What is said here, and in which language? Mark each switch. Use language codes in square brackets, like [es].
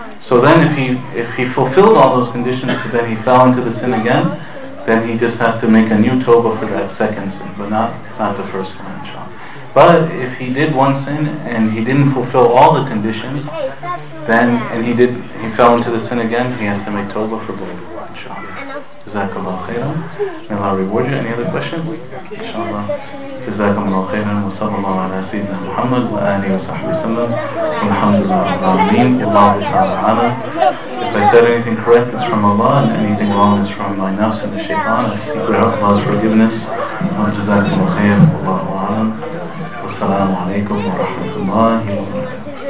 [en] So then if he fulfilled all those conditions but then he fell into the sin again, then he just has to make a new tawbah for that second sin, but not the first one, inshallah. But if he did one sin and he didn't fulfill all the conditions, then he fell into the sin again, he has to make tawbah for both, inshallah. Jazakallah khairan. May Allah reward you. Any other questions? Inshallah. [ar] جزاكم الله خيرا وصلى الله على سيدنا محمد وآله وصحبه وسلم والحمد لله رب العالمين والله تعالى أعلم. [en] If I said anything correct, it's from Allah, and anything wrong is from my nafs and the shaitan. I seek Allah's forgiveness. [ar] جزاكم الله خيرا والله أعلم. والسلام عليكم ورحمة الله وبركاته.